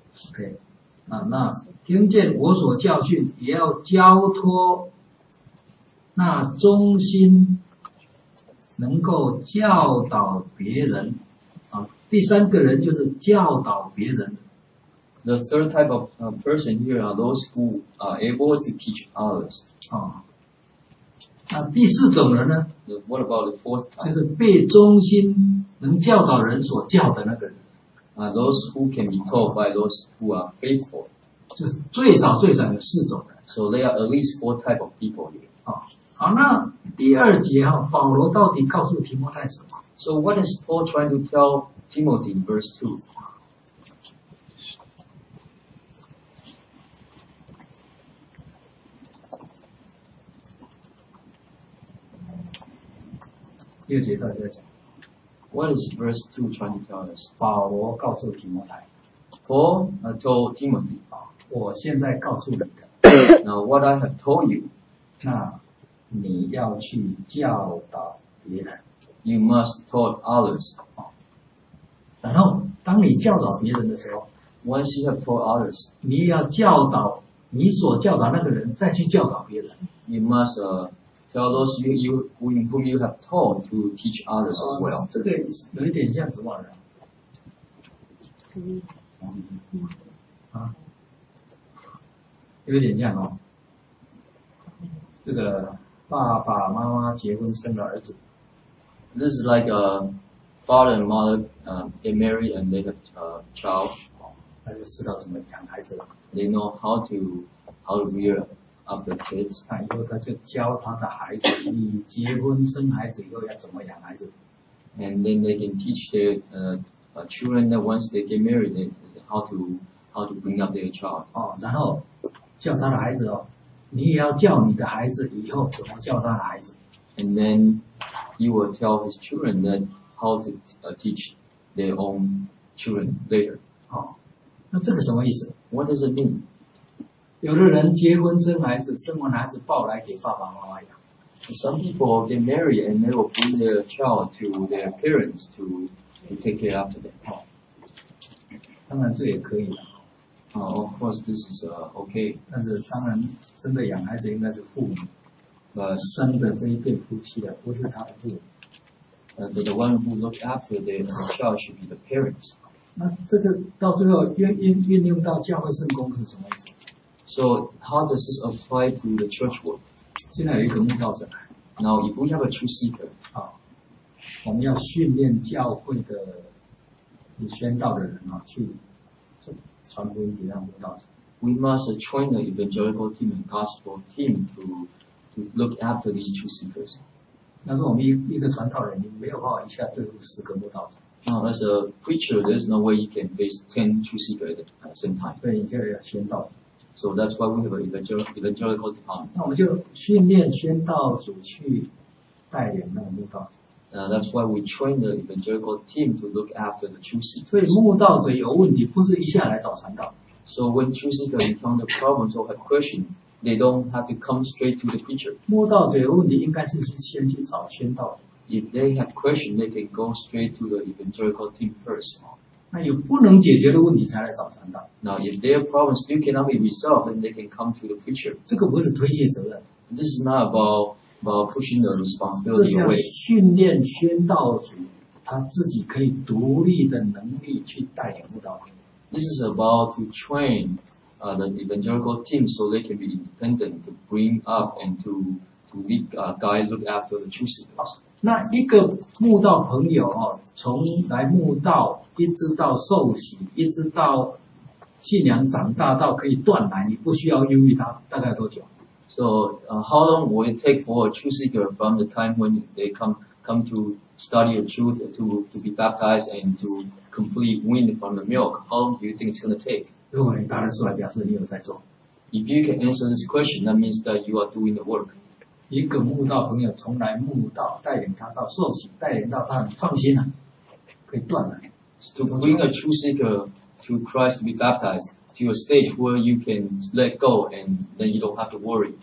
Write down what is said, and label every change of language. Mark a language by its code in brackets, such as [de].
[zh] OK， 那听见我所教训，也要交托那忠心能够教导别人。啊，第三个人就是教导别人。 [en] The third type of person here are those who are able to teach others. [zh] 啊，第四种人呢 [en] ？What about the fourth type？ [zh] 就是被忠心能教导人所教的那个人。 [en] Those who can be taught by those who are faithful。 [zh] 就是最少最少有四种人。 [en] So there are at least four type of people here。 [zh] 好，那第二节哈，保罗到底告诉提摩太什么 [en] ？So what is Paul trying to tell Timothy in verse 2？ [zh] 第二节到底在讲 [en] ？What is verse 2 trying to tell us？ [zh] 保罗告诉提摩太 [en] ，Paul told Timothy， [zh] 我现在告诉你的。 [en] Now what I have told you， [zh] 那你要去教导别人。 [en] You must taught others。 [zh] 然后，当你教导别人的时候 [en] ，Once you have taught others， [zh] 你要教导你所教导那个人，再去教导别人。 [en] You must。 Tell those whom you have taught to teach others as well. [zh] 这个有一点像什么人？有点像哦。这个爸爸妈妈结婚生了儿子。 [en] This is like a father and mother get married and they have a child. [zh] 他就知道怎么养孩子了。 [en] They know how to rear. Of the kids， [zh] 那以后他就教他的孩子，你结婚生孩子以后要怎么养孩子。 [en] And then they can teach their children that once they get married, how to bring up their child。 [zh] 哦，然后教他的孩子哦，你也要教你的孩子以后怎么教他的孩子。 [en] And then he will tell his children that how to teach their own children later。 [zh] 哦，那这个什么意思 [en] ？What does it mean？ [zh] 有的人结婚生孩子，生完孩子抱来给爸爸妈妈养。 [en] Some people get married and they will bring their child to their parents to take care after them. [zh] 当然这也可以的。 [en] Of course this is okay. [zh] 但是当然，真的养孩子应该是父母，生的这一对夫妻的，不是他的父母。 [en] The one who looks after their child should be the parents. [zh] 那这个到最后运用到教会圣工是什么意思？ [en] So how does this apply to the church work? [zh] 现在有一个慕道者。 [en] Now if we have a true seeker, [zh] 我们要训练教会的宣道的人去传播给那慕道者。 [en] We must train the evangelical team and gospel team to look after these true seekers. [zh] 但是我们一个传道人，你没有办法一下对付十个慕道者。 [en] Now as a preacher, there's no way you can face 10 true seekers at the same time. [zh] 对，你就要宣道。 [en] So that's why we have an evangelical department. [zh] 那我们就训练宣道组去带领那个慕道者。 [en] That's why we train the evangelical team to look after the true seekers. [zh] 所以慕道者有问题，不是一下来找传道。 [en] So when true seekers encounter problems or have questions, they don't have to come straight to the preacher. [zh] 慕道者有问题，应该是先去找宣道组。 [en] If they have questions, they can go straight to the evangelical team first. [zh] 那有不能解决的问题才来找传道。 [en] Now if their problems still cannot be resolved, then they can come to the preacher. [zh] 这个不是推卸责任。 [en] This is not about pushing the responsibility away. [zh] 这是要训练宣道组他自己可以独立的能力去带领慕道。 [en] This is about to train the evangelical team so they can be independent to bring up and to lead, guide, look after the true seekers. [zh] 那一个慕道朋友从来慕道一直到受洗一直到信仰长大到可以断奶你不需要忧郁他大概多久 [en] So, how long will it take for a true seeker from the time when they come to study the truth to be baptized and to complete wean from the milk? How long do you think it's going to take? [zh] 如果你答得出来表示你有在做 [en] If you can answer this question, that means that you are doing the work. [zh] 一个慕道朋友从来慕道，带领他到受洗，带领到他很放心可以断奶。 [en] To bring a true seeker to Christ to be baptized to a stage where you can let go and then you don't have to worry.